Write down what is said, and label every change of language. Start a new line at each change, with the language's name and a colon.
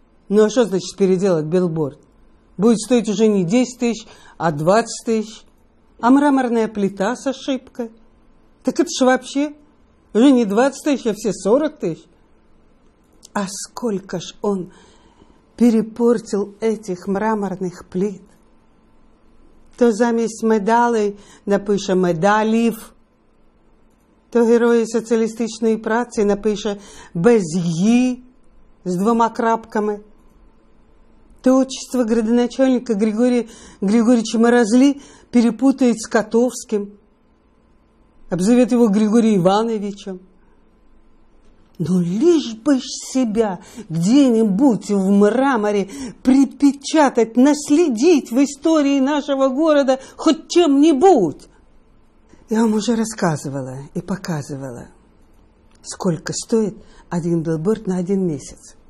Russian: Ну а что значит переделать билборд? Будет стоить уже не 10 тысяч, а 20 тысяч. А мраморная плита с ошибкой? Так это ж вообще уже не 20 тысяч, а все 40 тысяч. А сколько ж он перепортил этих мраморных плит?
Ukrainian: То замість медалей напише медалів, то герої соціалістичної праці напише без «ї» з двома крапками,
Russian: то отчество градоначальника Григорія Григорьевича Морозли перепутает с Котовським, обзовет его Григорием Ивановичем. Но лишь бы ж себя где-нибудь в мраморе припечатать, наследить в истории нашего города хоть чем-нибудь. Я вам уже рассказывала и показывала, сколько стоит один билборд на один месяц.